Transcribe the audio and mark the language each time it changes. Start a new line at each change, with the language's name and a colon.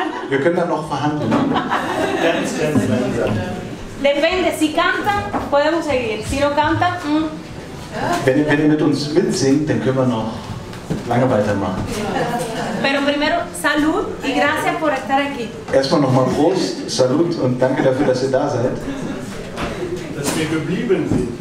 German: Wir können dann noch verhandeln.
Spanish: Depende, si cantan, podemos seguir. Si no cantan,
German: Wenn ihr mit uns mitsingt, dann können wir noch lange weitermachen.
Spanish: Pero primero, salud y gracias por estar aquí.
German: Erstmal nochmal Prost, salud und danke dafür, dass ihr da seid. Dass wir geblieben sind.